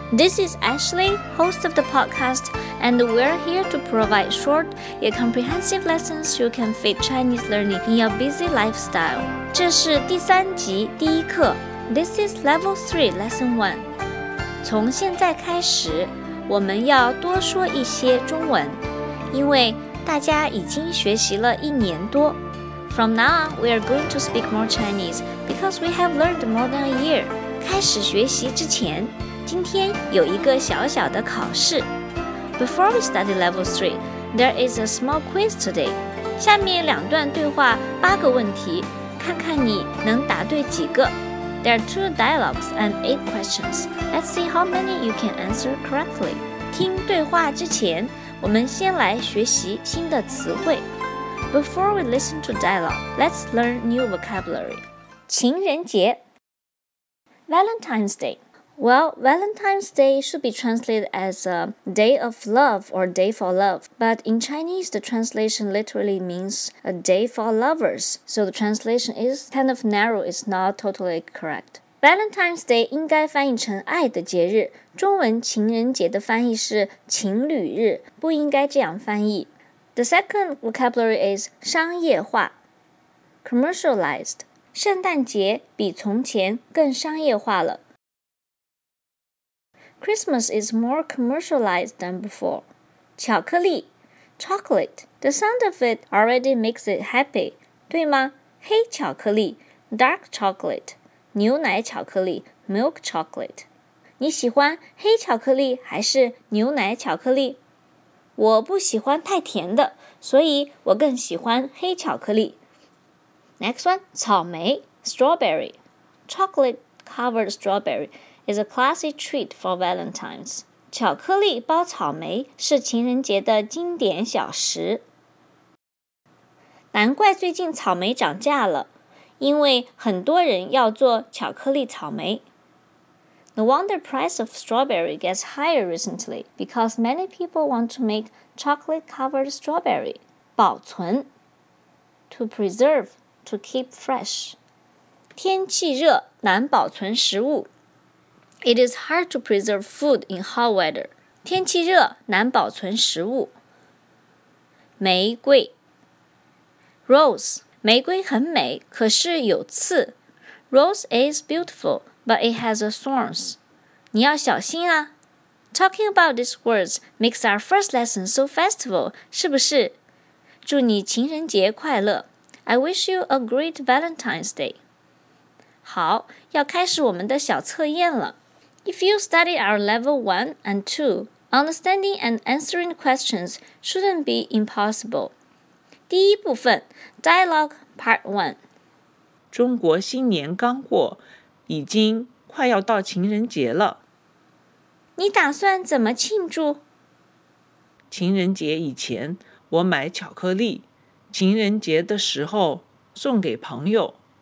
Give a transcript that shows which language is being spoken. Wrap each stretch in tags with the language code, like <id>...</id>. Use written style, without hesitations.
<en>This is Ashley, host of the podcast, and we're here to provide short yet comprehensive lessons you can fit Chinese learning in your busy lifestyle. 这是第三集第一课。 This is Level 3, Lesson 1.</en> <zh>从现在开始，我们要多说一些中文，因为大家已经学习了一年多。</zh> <en>From now on, we are going to speak more Chinese because we have learned more than a year.</en> <zh>开始学习之前，今天有一个小小的考试。</zh> <en>Before we study level 3, there is a small quiz today.</en> <zh>下面两段对话，八个问题，看看你能答对几个。</zh> <en>There are two dialogues and 8 questions. Let's see how many you can answer correctly.</en> <zh>听对话之前，我们先来学习新的词汇。</zh> <en>Before we listen to dialogue, let's learn new vocabulary.</en> <zh>情人节</zh> <en>Valentine's Day. Well, Valentine's Day should be translated as a day of love or day for love. But in Chinese, the translation literally means a day for lovers. So the translation is kind of narrow, it's not totally correct.</en> <zh>Valentine's Day 应该翻译成爱的节日。中文情人节的翻译是情侣日，不应该这样翻译。</zh> <en>The second vocabulary is 商业化 commercialized.</en> <zh>圣诞节比从前更商业化了。</zh> <en>Christmas is more commercialized than before.</en> <zh>巧克力</zh> <en>chocolate. The sound of it already makes it happy.</en> <zh>对吗？黑巧克力 dark chocolate. 牛奶巧克力 milk chocolate. 你喜欢黑巧克力还是牛奶巧克力？我不喜欢太甜的，所以我更喜欢黑巧克力。</zh> <en>Next one, 草莓 strawberry. Chocolate covered strawberry is a classy treat for Valentine's.</en> <zh>巧克力包草莓是情人节的经典小食。难怪最近草莓涨价了，因为很多人要做巧克力草莓。</zh> <en>No wonder price of strawberry gets higher recently because many people want to make chocolate-covered strawberry.</en> <zh>保存</zh> <en>To preserve, to keep fresh.</en> <zh>天气热难保存食物</zh> <en>It is hard to preserve food in hot weather.</en> <zh>天气热难保存食物玫瑰</zh> <en>Rose</en> <zh>玫瑰很美可是有刺 Rose is beautiful.</zh> <en>But it has a thorns.</en> <zh>你要小心啊。</zh> <en>Talking about these words makes our first lesson so festival, 是不是？</en> <zh>祝你情人节快乐。</zh> <en>I wish you a great Valentine's Day.</en> <zh>好，要开始我们的小测验了。</zh> <en>If you study our level 1 and 2, understanding and answering questions shouldn't be impossible.</en> <zh>第一部分 Dialogue Part 1 中国新年刚过已经快要到情人节了。你打算怎么庆祝？情人节以前，我买巧克力，情人节的时候送给朋友。</zh>